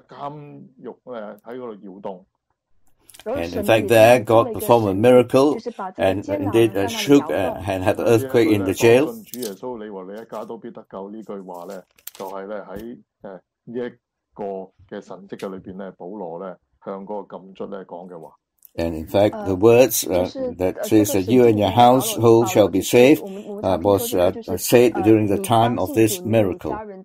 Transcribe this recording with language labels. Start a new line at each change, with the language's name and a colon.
Chinese: 然后呢,神在那里做了一个神迹,将这个监狱在那里摇动。
English: And in fact there, God performed a miracle and indeed shook and had an earthquake in the jail.
Chinese: 主耶稣,你和你一家都必得救,这句话就是在这个神迹里面,保罗向那个禁卒说的话。
English: And in fact, the words that says that you and your household shall be safe was said during the time of this miracle.